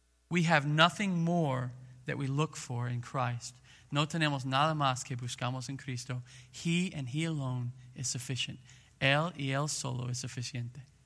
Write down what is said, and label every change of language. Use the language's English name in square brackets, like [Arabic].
[English] We have nothing more that we look for in Christ. [Spanish] No tenemos nada más que buscamos en Cristo. [English] He and he alone is sufficient. [Spanish] Él y él solo es suficiente.